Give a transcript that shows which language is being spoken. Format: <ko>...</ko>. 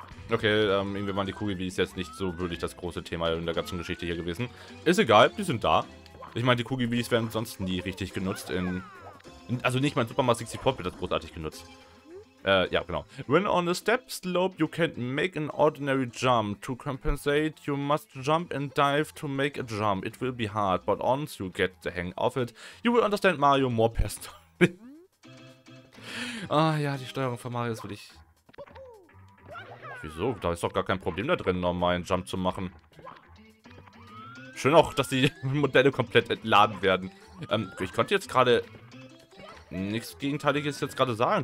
<de>Okay, irgendwie waren die Kugelbees jetzt nicht so wirklich das große Thema in der ganzen Geschichte hier gewesen. Ist egal, die sind da. Ich meine, die Kugelbees werden sonst nie richtig genutzt also nicht mal in Super Mario 64 wird das großartig genutzt. Ja, genau.</de> <en>When on a step slope, you can't make an ordinary jump. To compensate, you must jump and dive to make a jump. It will be hard, but once you get the hang of it, you will understand Mario more personally.</en> <de>Ah, ja, die Steuerung von Mario ist wirklich... Wieso? Da ist doch gar kein Problem da drin, normal einen Jump zu machen. Schön auch, dass die Modelle komplett entladen werden. Ich konnte jetzt gerade nichts Gegenteiliges jetzt gerade sagen.</de>